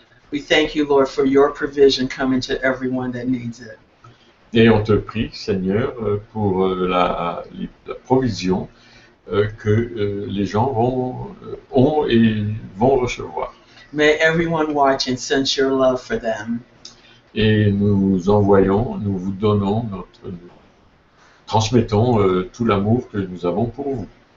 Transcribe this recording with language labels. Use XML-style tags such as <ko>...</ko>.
<en>We thank you, Lord, for your provision coming to everyone that needs it.</en> <fr>Et on te prie, Seigneur, pour la provision que les gens ont et vont recevoir.</fr> <en>May everyone watch and sense your love for them.</en> <fr>Et nous vous donnons notre transmettons tout l'amour que nous avons pour vous.</fr>